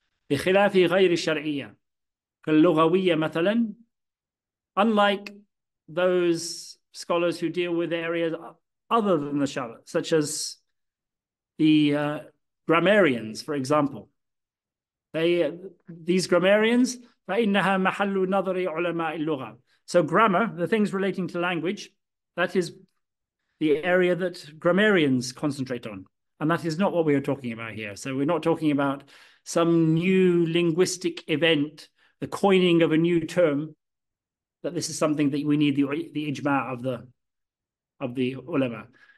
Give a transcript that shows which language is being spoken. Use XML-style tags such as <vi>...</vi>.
<ar>بِخِلَافِ غَيْرِ الشَّرْعِيَّةِ كَاللُّغَوِيَّ مَثَلًا,</ar> <en>unlike those scholars who deal with areas other than the Shara, such as the grammarians, for example. These grammarians,</en> <ar>فَإِنَّهَا مَحَلُّ نَظْرِ عُلَمَاءِ الْلُغَةِ.</ar> <en>So grammar, the things relating to language, that is the area that grammarians concentrate on. And that is not what we are talking about here. So we're not talking about some new linguistic event, the coining of a new term, that this is something that we need the ijma' of the ulama.</en>